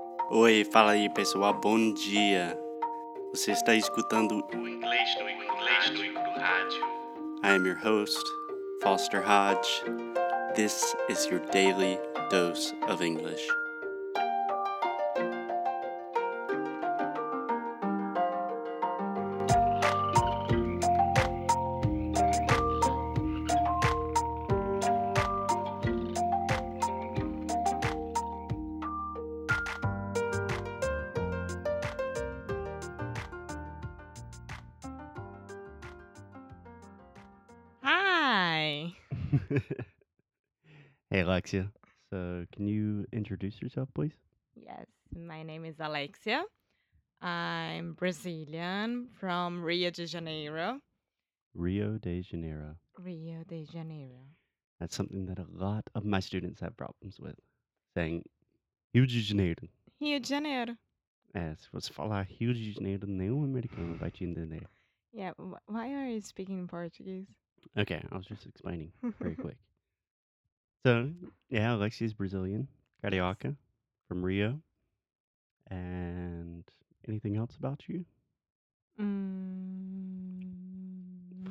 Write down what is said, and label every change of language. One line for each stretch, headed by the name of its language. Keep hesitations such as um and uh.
Portuguese: Oi, fala aí pessoal, bom dia. Você está escutando O inglês do inglês do rádio.
English: I am your host, Foster Hodge. This is your daily dose of English. Hi. Hey Alexia. So, can you introduce yourself, please? Yes, my name is Alexia. I'm Brazilian from Rio de Janeiro. Rio de Janeiro. Rio de Janeiro. That's something that a lot of my students have problems with. Saying Rio de Janeiro. Rio de Janeiro.
Portuguese: É, se você falar Rio de Janeiro, nenhum americano vai te entender.
English: Yeah, wh- why are you speaking Portuguese? Okay, I was just explaining very quick. So, yeah, Alexia's Brazilian, Carioca, from Rio. And anything else about you? Mm,